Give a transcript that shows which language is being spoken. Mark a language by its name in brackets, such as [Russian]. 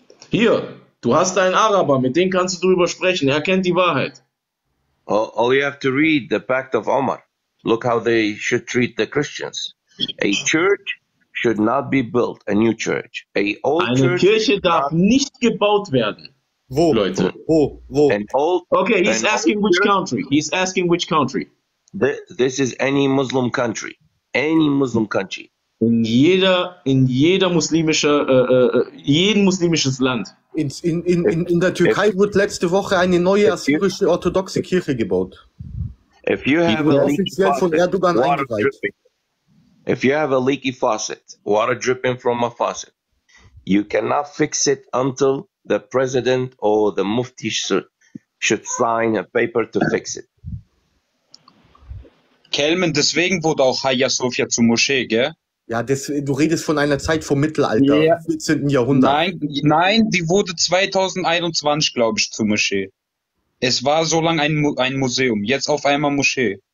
[German] Hier, du hast einen Araber, mit dem kannst du drüber sprechen. Er kennt die Wahrheit. [English] All you have to read the Pact of Omar. Look how they should treat the Christians. A church should not be built, a new church. [German] Eine Kirche darf nicht gebaut werden. Wo, Leute? Wo? [English] He's asking which country. This is any Muslim country. Any Muslim country. [German] Jeden muslimisches Land. In der Türkei wurde letzte Woche eine neue assyrische orthodoxe Kirche gebaut. Die wurde offiziell von Erdogan eingeweiht. [English] If you have a leaky faucet, water dripping from a faucet, you cannot fix it until the president or the mufti should sign a paper to fix it. [German] Kelmen, deswegen wurde auch Hagia Sophia zur Moschee, gell? Ja, du redest von einer Zeit vom Mittelalter, yeah. 14. Jahrhundert. Nein, die wurde 2021, glaube ich, zur Moschee. Es war so lange ein Museum, jetzt auf einmal Moschee.